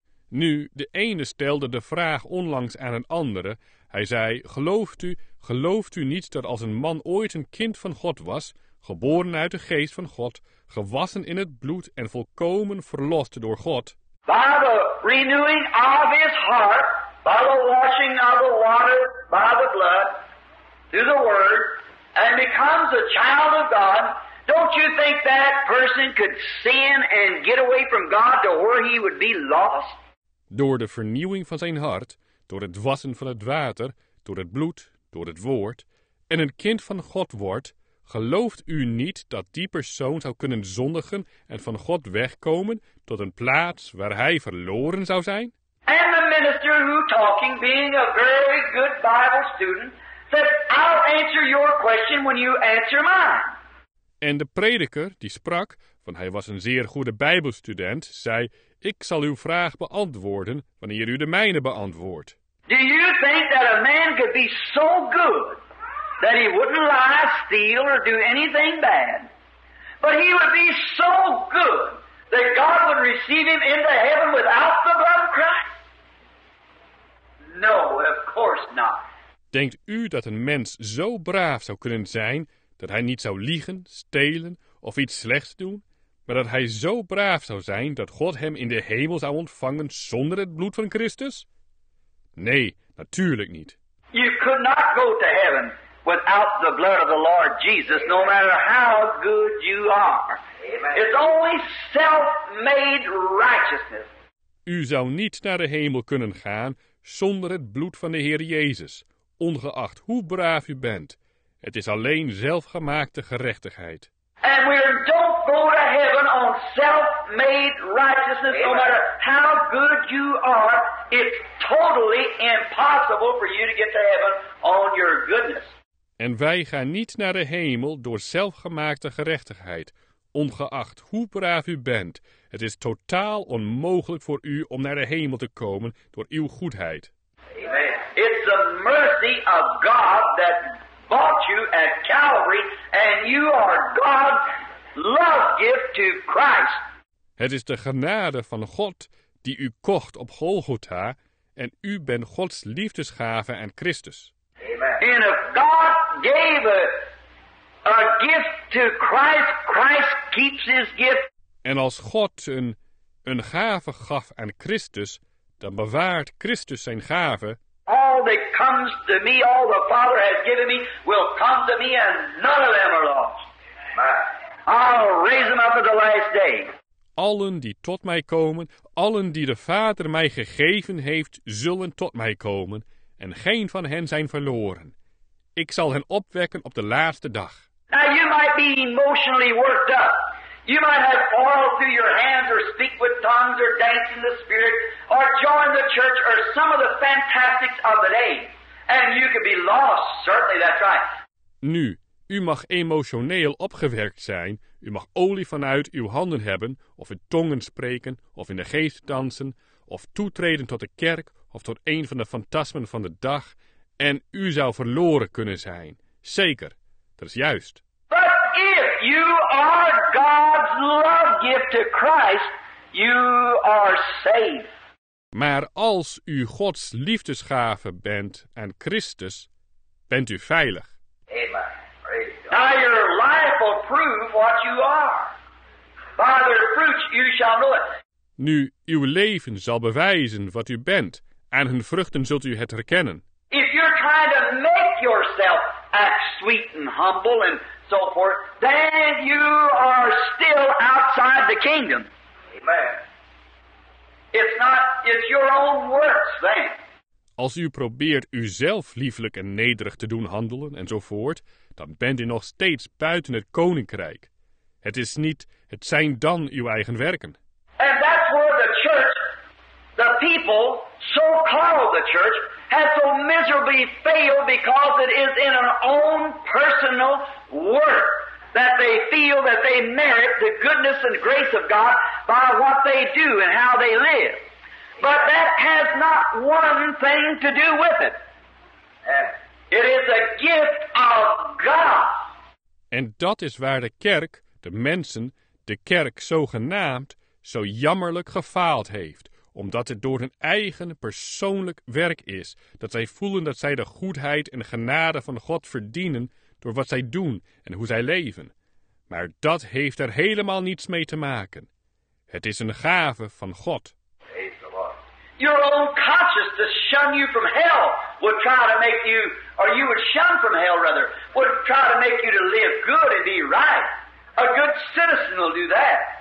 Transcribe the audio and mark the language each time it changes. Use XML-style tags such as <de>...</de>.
<nl>Nu, de ene stelde de vraag onlangs aan een andere. Hij zei, gelooft u niet dat als een man ooit een kind van God was, geboren uit de geest van God, gewassen in het bloed en volkomen verlost door God.</nl> <en>By the renewing of his heart, by the washing of the water, by the blood, through the word, and becomes a child of God, Don't you think that person could sin and get away from God to where he would be lost?</en> <nl>Door de vernieuwing van zijn hart, door het wassen van het water, door het bloed, door het woord, en een kind van God wordt, gelooft u niet dat die persoon zou kunnen zondigen en van God wegkomen tot een plaats waar hij verloren zou zijn?</nl> <en>And the minister who talking, being a very good Bible student, said, I'll answer your question when you answer mine.</en> <nl>En de prediker, die sprak, want hij was een zeer goede Bijbelstudent, zei, ik zal uw vraag beantwoorden wanneer u de mijne beantwoordt.</nl> <en>Do you think that a man could be so good that he wouldn't lie, steal or do anything bad? But he would be so good that God would receive him into heaven without the blood of Christ? No, of course not.</en> <nl>Denkt u dat een mens zo braaf zou kunnen zijn dat hij niet zou liegen, stelen of iets slechts doen, maar dat hij zo braaf zou zijn dat God hem in de hemel zou ontvangen zonder het bloed van Christus? Nee, natuurlijk niet.</nl> <en>You could not go to heaven without the blood of the Lord Jesus, no matter how good you are. It's only self-made righteousness.</en> <nl>U zou niet naar de hemel kunnen gaan zonder het bloed van de Heer Jezus, ongeacht hoe braaf u bent. Het is alleen zelfgemaakte gerechtigheid.</nl> <en>And we don't go to heaven on self-made righteousness, no matter how good you are. It's totally impossible for you to get to heaven on your goodness.</en> <nl>En wij gaan niet naar de hemel door zelfgemaakte gerechtigheid, ongeacht hoe braaf u bent. Het is totaal onmogelijk voor u om naar de hemel te komen door uw goedheid. Amen.</nl> <en>It's the mercy of God that bought you at Calvary, and you are God's love gift to Christ.</en> <nl>Het is de genade van God die u kocht op Golgotha, en u bent Gods liefdesgave aan Christus. Amen.</nl> <en>And if God gave a gift to Christ, Christ keeps his gift.</en> <nl>En als God een gave gaf aan Christus, dan bewaart Christus zijn gave.</nl> <en>All that comes to me, all the Father has given me, will come to me and none of them are lost. I'll raise them up at the last day.</en> <nl>Allen die tot mij komen, allen die de Vader mij gegeven heeft, zullen tot mij komen en geen van hen zijn verloren. Ik zal hen opwekken op de laatste dag.</nl> <en>Now you might be emotionally worked up. You might have oil through your hands or speak with tongues or dance in the spirit or join the church or some of the fantastics of the day. And you could be lost, certainly, that's right.</en> <nl>Nu, u mag emotioneel opgewerkt zijn, u mag olie vanuit uw handen hebben, of in tongen spreken, of in de geest dansen, of toetreden tot de kerk, of tot een van de fantasmen van de dag, en u zou verloren kunnen zijn. Zeker, dat is juist.</nl> <en>If you are God's love gift to Christ, you are saved.</en> <nl>Maar als u Gods liefdesgave bent aan Christus, bent u veilig.</nl> <en>Amen. Praise God. Now your life will prove what you are. By the fruits you shall know it.</en> <nl>Nu, uw leven zal bewijzen wat u bent, en hun vruchten zult u het herkennen.</nl> <en>If you're trying to make yourself act sweet and humble and so forth, then you are still outside the kingdom. Amen. It's your own works then.</en> <nl>Als u probeert uzelf lieflijk en nederig te doen handelen enzovoort, dan bent u nog steeds buiten het koninkrijk. Het zijn dan uw eigen werken.</nl> <en>And that's where the church, the people, so called the church, has so miserably failed because it is in an own personal work that they feel that they merit the goodness and grace of God by what they do and how they live. But that has not one thing to do with it. It is a gift of God.</en> <nl>En dat is waar de kerk, de mensen, de kerk zogenaamd, zo jammerlijk gefaald heeft. Omdat het door hun eigen persoonlijk werk is, dat zij voelen dat zij de goedheid en genade van God verdienen door wat zij doen en hoe zij leven. Maar dat heeft er helemaal niets mee te maken. Het is een gave van God.</nl> <en>Your own conscience to shun you from hell would try to make you, or you would shun from hell rather, would try to make you to live good and be right. A good citizen will do that.</en>